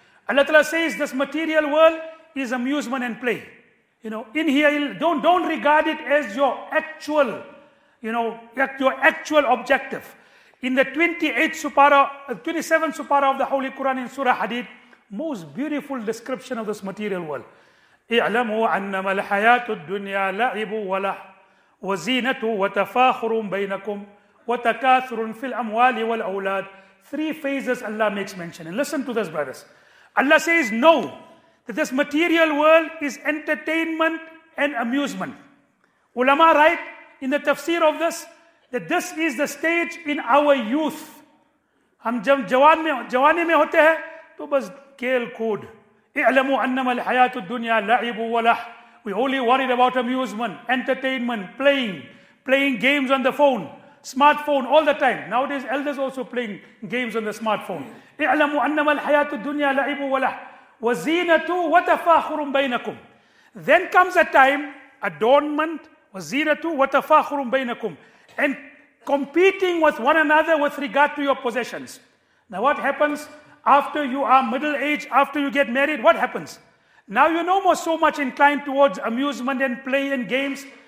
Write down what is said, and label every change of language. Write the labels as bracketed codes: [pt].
[en] Allah Ta'ala says this material world is amusement and play. You know, in here, don't regard it as your actual, you know, your actual objective. In the 27th supara of the Holy Quran in Surah Hadid, most beautiful description of this material world. [ar] اعلموا أنما الحياة الدنيا لعب ولح وزينة وتفاخر بينكم وتكاثر في الأموال والأولاد. [en] Three phases Allah makes mention. And listen to this, brothers. Allah says, know that this material world is entertainment and amusement. Ulama write in the tafsir of this, that this is the stage in our youth. [ur] ہم جوانی میں ہوتے ہیں تو بس کھیل کود. [ar] اعلموا انما الحياة الدنيا لعب ولح. [en] We only worried about amusement, entertainment, playing games on the phone, smartphone all the time. Nowadays, elders also playing games on the smartphone. [ar] اعلموا انما الحياة الدنيا لعب ولح وزينة وتفاخر بينكم. [en] Then comes a time, adornment, [ar] وزينة وتفاخر بينكم, [en] and competing with one another with regard to your possessions. Now what happens? After you are middle age, after you get married, what happens? Now you're no more so much inclined towards amusement and play and games.